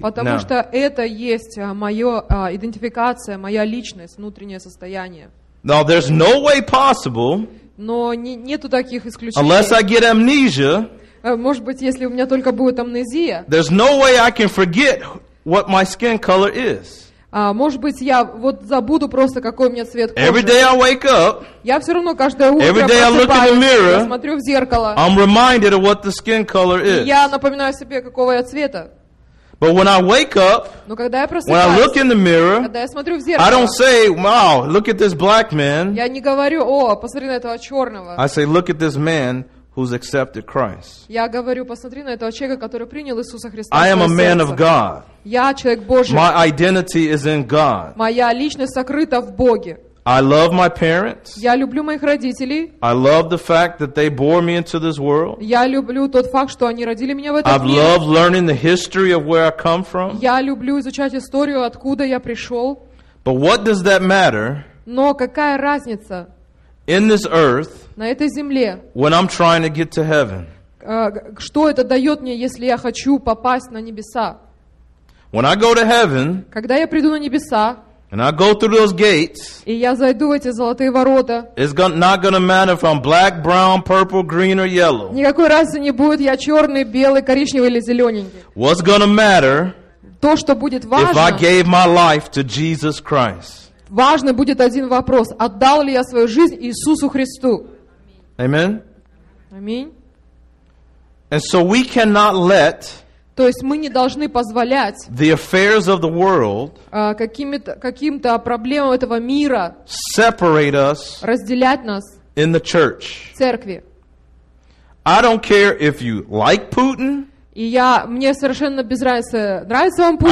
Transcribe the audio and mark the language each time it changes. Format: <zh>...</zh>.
<ru>Потому что это есть моё идентификация, моя личность, внутреннее состояние.</ru> <en>Now there's no way possible.</en> <ru>Но нету таких исключений.</ru> <en>Unless I get amnesia.</en> <ru>Может быть, если у меня только будет амнезия.</ru> <en>There's no way I can forget what my skin color is.</en> <ru>Может быть, я вот забуду просто, какой у меня цвет кожи.</ru> <en>Every day I wake up.</en> <ru>Я все равно каждое утро просыпаюсь, я смотрю в зеркало.</ru> <en>I'm reminded of what the skin color is.</en> <ru>Я напоминаю себе, какого я цвета.</ru> <en>But when I wake up,</en> <ru>но когда я просыпаюсь,</ru> <en>when I look in the mirror,</en> <ru>когда я смотрю в зеркало,</ru> <en>I don't say, "Wow, look at this black man."</en> <ru>Я не говорю, о, посмотри на этого черного.</ru> <en>I say, "Look at this man who's accepted Christ."</en> <ru>Я говорю, посмотри на этого человека, который принял Иисуса Христа.</ru> <en>I am a man of God.</en> <ru>Я человек Божий.</ru> <en>My identity is in God.</en> <ru>Моя личность сокрыта в Боге.</ru> <en>I love my parents.</en> <ru>Я люблю моих родителей.</ru> <en>I love the fact that they bore me into this world.</en> <ru>Я люблю тот факт, что они родили меня в этот мир.</ru> <en>I've loved learning the history of where I come from.</en> <ru>Я люблю изучать историю, откуда я пришел.</ru> <en>But what does that matter?</en> <ru>Но какая разница?</ru> <en>In this earth.</en> <ru>На этой земле.</ru> <en>When I'm trying to get to heaven.</en> <ru>Что это дает мне, если я хочу попасть на небеса?</ru> <en>When I go to heaven.</en> <ru>Когда я приду на небеса.</ru> <en>And I go through those gates.</en> <ru>И я зайду в эти золотые ворота.</ru> <en>It's not gonna matter if I'm black, brown, purple, green, or yellow.</en> <ru>Никакой разницы не будет, я черный, белый, коричневый или зелененький.</ru> <en>What's gonna matter?</en> <ru>То, что будет важно.</ru> <en>If I gave my life to Jesus Christ.</en> <ru>Важный будет один вопрос: отдал ли я свою жизнь Иисусу Христу?</ru> <en>Amen.</en> <ru>Аминь.</ru> <en>And so we cannot let.</en> <ru>То есть мы не должны позволять</ru> <en>the affairs of the world</en> <ru>каким-то проблемам этого мира</ru> <en>separate us</en> <ru>разделять нас</ru> <en>in the church.</en> <ru>В церкви.</ru> <en>I don't care if you like Putin.</en> <ru>И я, мне совершенно без разницы, нравится вам Путин.</ru>